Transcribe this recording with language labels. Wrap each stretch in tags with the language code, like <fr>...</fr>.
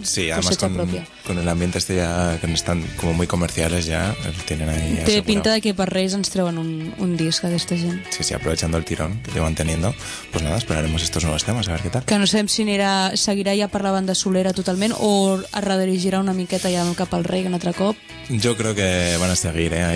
<es>Sí, además con el ambiente este ya, que están como muy comerciales ya, tienen ahí...</es> <ca>Té pinta de que per Reis ens treuen un disc aquesta gent.</ca> <es>Sí, sí, aprovechando el tirón que llevan teniendo, pues nada, esperaremos estos nuevos temas, a ver qué tal.</es> <ca>Que no sabem si seguirà ja per la banda solera totalment o es redirigirà una miqueta ja cap al Rei un altre cop.</ca> <es>Yo creo que van a seguir, ¿eh?</es>